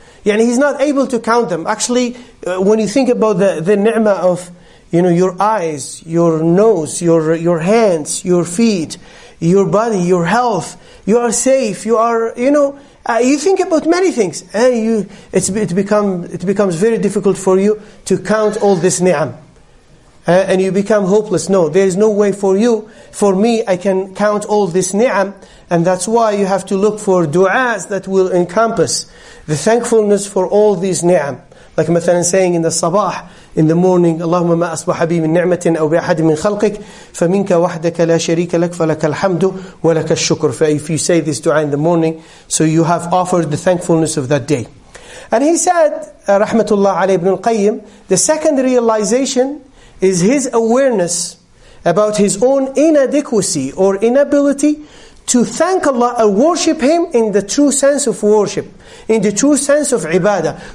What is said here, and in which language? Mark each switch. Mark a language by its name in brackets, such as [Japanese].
[English] Yani he's not able to count them. Actually, when you think about the ni'mah of, you know, your eyes, your nose, your hands, your feet, your body, your health, you are safe, you are, you know, you think about many things, and it becomes very difficult for you to count all this ni'am. And you become hopeless. No, there is no way for you, for me, I can count all this ni'am. And that's why you have to look for du'as that will encompass the thankfulness for all these ni'am. [Arabic] Like مثلا [English] saying in the sabah, in the morning, [Arabic] اللهم ما أصبح بي من نعمة أو بأحد من خلقك فمنك وحدك لا شريك لك فلك الحمد ولك الشكر. [English] If you say this dua in the morning, so you have offered the thankfulness of that day. And he said, [Arabic] رحمة الله عليه ابن القيم, [English] the second realization is his awareness about his own inadequacy or inability to thank Allah or worship Him in the true sense of worship, in the true sense of ibadah.